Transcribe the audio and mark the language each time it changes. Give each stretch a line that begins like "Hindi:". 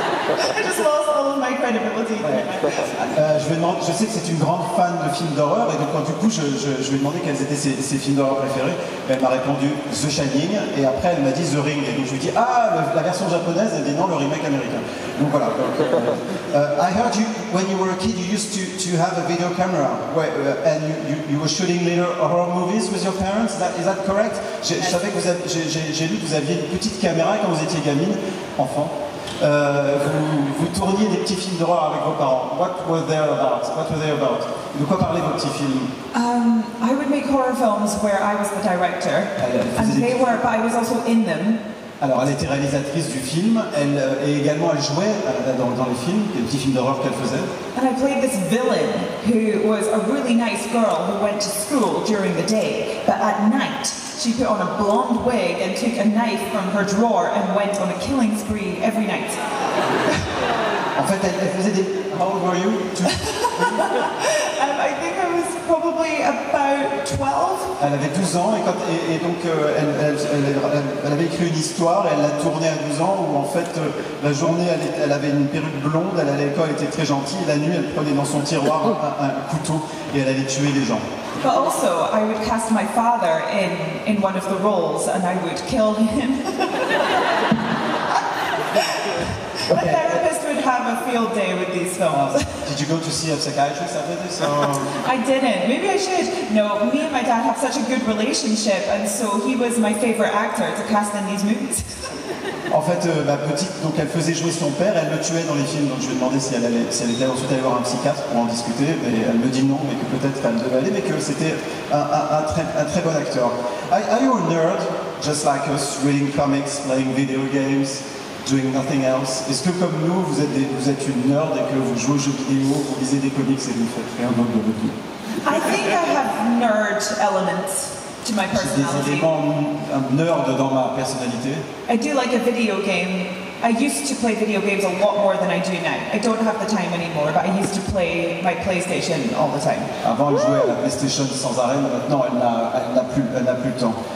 English: I just lost all of my credibility.
French: Je sais que c'est une grande fan de films d'horreur et donc du coup je lui ai demandé quels étaient ses films d'horreur préférés. Elle m'a répondu The Shining et après elle m'a dit The Ring. Et donc je lui dis ah la version japonaise. Elle dit non, le remake américain. Donc voilà.
English: I heard you when you were a kid, you used to have a video camera. Wait, and you were shooting little horror movies with your parents. Is that correct?
French: Je savais que vous aviez, j'ai lu que vous aviez une petite caméra quand vous étiez gamine, enfant. Vous tourniez des petits films d'horreur avec vos parents.
English: What were they about? What were they about?
French: De quoi parlaient vos petits films?
English: I would make horror films where I was the director, but I was also in them.
French: Alors, elle était réalisatrice du film. Elle jouait dans les films, les petits films d'horreur qu'elle faisait.
English: And I played this villain who was a really nice girl who went to school during the day, but at night. She put on a blonde wig and took a knife from her drawer and went on a killing spree every night.
French: En fait, elle faisait des...
English: How old were you? I think I was probably about 12.
French: Elle avait 12 ans et donc elle avait écrit une histoire et elle l'a tournée à 12 ans où en fait la journée elle avait une perruque blonde, elle allait à l'école, elle était très gentille, la nuit elle prenait dans son tiroir un couteau et elle allait tuer des gens.
English: But also, I would cast my father in one of the roles, and I would kill him. Okay. A therapist would have a field day with these films. Did you go to see a psychiatrist after this? I didn't. Maybe I should. No, me and my dad have such a good relationship, and so he was my favorite actor to cast in these movies.
French: En fait, ma petite, donc elle faisait jouer son père, elle le tuait dans les films, donc je lui ai demandé si elle allait ensuite aller voir un psychiatre pour en discuter, mais elle me dit non, mais que peut-être elle devait aller, mais que c'était un très bon acteur.
English: Are you a nerd, just like us, reading comics, playing video games, doing nothing else?
French: Est-ce que comme nous, vous êtes une nerd et que vous jouez aux jeux vidéo, vous lisez des comics et vous faites rien d'autre de votre vie?
English: I think I have nerd elements. Do to my personality.
French: J'ai des éléments nerd dans ma personnalité.
English: I do like a video game. I used to play video games a lot more than I do now. I don't have the time anymore, but I used to play my PlayStation all the time.
French: Avant, elle jouait à la PlayStation sans arrêt, mais maintenant, elle n'a plus le temps.